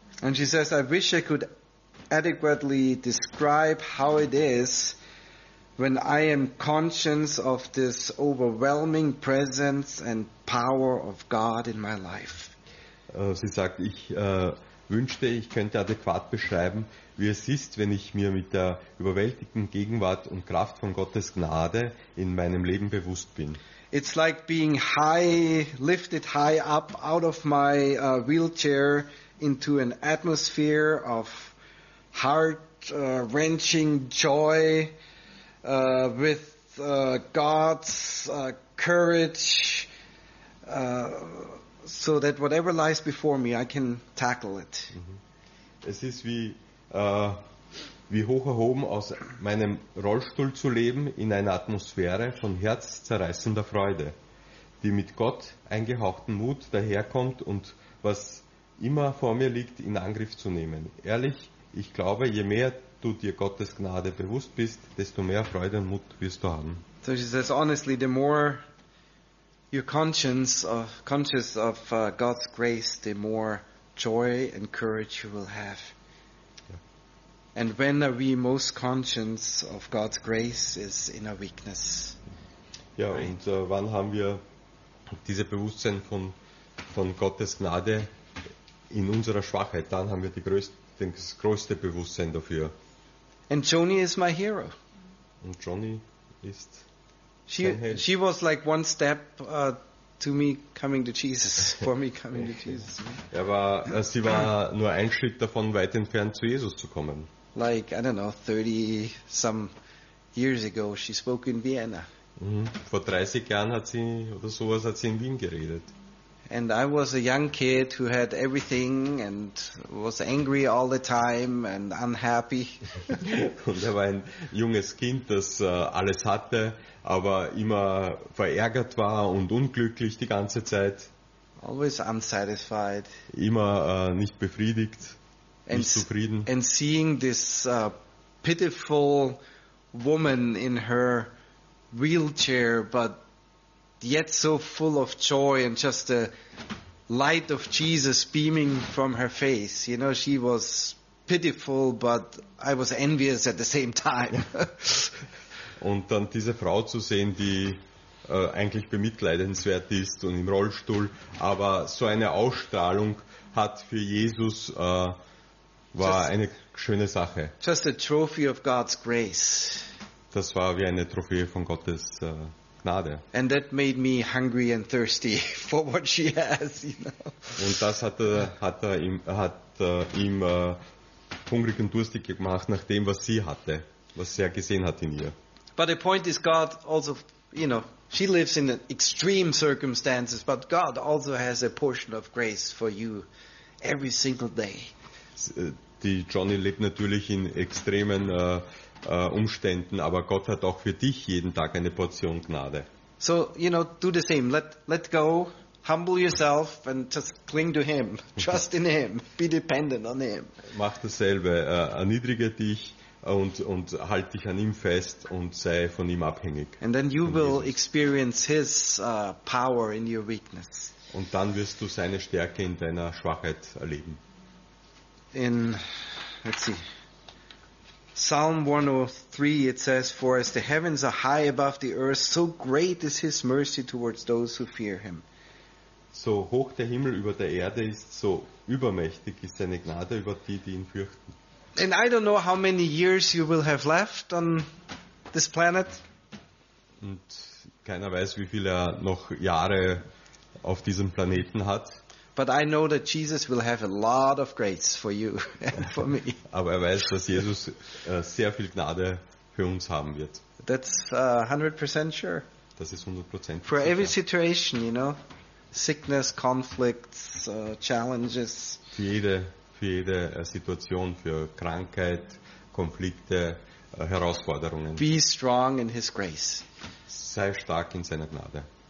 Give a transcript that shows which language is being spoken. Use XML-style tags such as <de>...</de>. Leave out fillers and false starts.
<en>And she says, I wish I could adequately describe how it is when I am conscious of this overwhelming presence and power of God in my life.</en> <de>Sie sagt, ich wünschte, ich könnte adäquat beschreiben, wie es ist, wenn ich mir mit der überwältigenden Gegenwart und Kraft von Gottes Gnade in meinem Leben bewusst bin.</de> <en>It's like being lifted high up out of my wheelchair into an atmosphere of heart-wrenching joy with God's courage. So that whatever lies before me, I can tackle it.</en> <de>Es ist wie hoch erhoben aus meinem Rollstuhl zu leben in einer Atmosphäre von herzzerreißender Freude, die mit Gott eingehauchten Mut daherkommt und was immer vor mir liegt, in Angriff zu nehmen. Ehrlich, ich glaube, je mehr du dir Gottes Gnade bewusst bist, desto mehr Freude und Mut wirst du haben.</de> <en>So she says, honestly, the more your conscience conscious of God's grace, the more joy and courage you will have. Yeah. And when are we most conscious of God's grace is in our weakness.</en> <de>Ja,</de> <en>right?</en> <de>Und wann haben wir dieses Bewusstsein von Gottes Gnade in unserer Schwachheit? Dann haben wir das größte Bewusstsein dafür.</de> <en>And Joni is my hero.</en> <de>Und Joni ist.</de> <en>She was like one step to me coming to Jesus, for me coming to Jesus.</en> <de>Sie war nur ein Schritt davon, weit entfernt zu Jesus zu kommen.</de> <en>Like, I don't know, 30 some years ago, she spoke in Vienna. Mm-hmm.</en> <de>Vor 30 Jahren hat sie, oder sowas, hat sie in Wien geredet.</de> <en>And I was a young kid who had everything and was angry all the time and unhappy.</en> <de>Und er war ein junges Kind, das alles hatte, aber immer verärgert war und unglücklich die ganze Zeit.</de> <en>Always unsatisfied.</en> <de>Immer nicht befriedigt, nicht zufrieden.</de> <en>And seeing this pitiful woman in her wheelchair, but yet so full of joy and just the light of Jesus beaming from her face. You know, she was pitiful, but I was envious at the same time.</en> <de>Und dann diese Frau zu sehen, die eigentlich bemitleidenswert ist und im Rollstuhl, aber so eine Ausstrahlung hat für Jesus war just, eine schöne Sache.</de> <en>Just a trophy of God's grace.</en> <de>Das war wie eine Trophäe von Gottes Gnade.</de> <en>And that made me hungry and thirsty for what she has, you know.</en> <de>Und das hat ihm hungrig und durstig gemacht nach dem, was sie hatte, was er gesehen hat in ihr.</de> <en>But the point is, God also, you know, she lives in extreme circumstances, but God also has a portion of grace for you every single day.</en> <de>Die Johnny lebt natürlich in extremen Umständen, aber Gott hat auch für dich jeden Tag eine Portion Gnade.</de> <en>So, you know, do the same. Let go, humble yourself and just cling to him. Trust in him. Be dependent on him.</en> <de>Mach dasselbe. Erniedrige dich und halt dich an ihm fest und sei von ihm abhängig.</de> <en>And then you will experience his power in your weakness.</en> <de>Und dann wirst du seine Stärke in deiner Schwachheit erleben.</de> <en>In, let's see, Psalm 103, it says, "For as the heavens are high above the earth, so great is his mercy towards those who fear him."</en> <de>So hoch der Himmel über der Erde ist, so übermächtig ist seine Gnade über die, die ihn fürchten.</de> <en>And I don't know how many years you will have left on this planet.</en> <de>Und keiner weiß, wie viel er noch Jahre auf diesem Planeten hat.</de> <en>But I know that Jesus will have a lot of grace for you and for me.</en> <de>Aber er weiß, dass Jesus sehr viel Gnade für uns haben wird.</de> <en>That's 100% sure.</en> <de>Das ist 100% sicher.</de> <en>For every situation, you know, sickness, conflicts, challenges.</en> <de>Für jede Situation, für Krankheit, Konflikte, Herausforderungen.</de> <en>Be strong in his grace.</en> <de>Sei stark in seiner Gnade.</de>